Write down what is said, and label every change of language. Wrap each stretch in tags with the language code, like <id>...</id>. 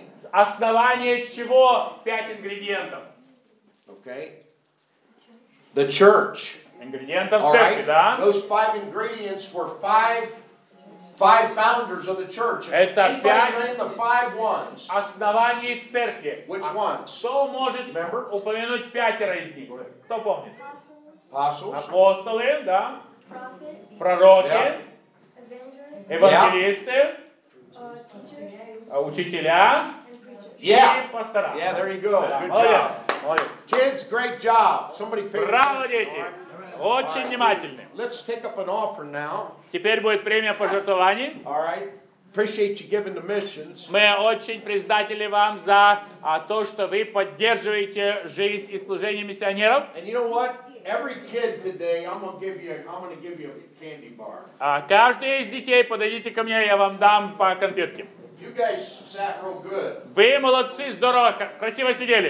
<ru>Основание чего пять ингредиентов?</ru> <en>Okay. The church.</en> <ru>Ингредиентов церкви,</ru> <en>right.</en> <ru>Да?</ru> <en>Those five ingredients were five founders of the church.</en> <ru>Это пять</ru> <en>the five ones.</en> <ru>Основание церкви.</ru> <en>Which ones?</en> <ru>Кто может</ru> <en>Remember?</en> <ru>Упомянуть пятеро из них? Кто помнит?</ru> <en>Apostles.</en> <ru>Апостолы, да? Пророки.</ru> <en>Yeah.</en> <ru>Евангелисты.</ru> <en>Yeah.</en> <ru>Учителя.</ru> <en>Yeah.</en> <ru>И пастора.</ru> <en>Yeah, there you go. Yeah. Good job. Kids, great job. Somebody pay</en> <ru>Браво, дети. Очень внимательны.</ru> <en>Let's take up an offer now.</en> <ru>Теперь будет время пожертвований.</ru> <en>All right. Appreciate you giving the missions.</en> <ru>Мы очень признательны вам за то, что вы поддерживаете жизнь и служение миссионеров.</ru> <en>And you know what? Every kid today, I'm gonna give you a candy bar.</en> <ru>А каждый из детей, подойдите ко мне, я вам дам по конфетке.</ru> <en>You guys sat real good.</en> <ru>Вы молодцы, здорово, красиво сидели.</ru>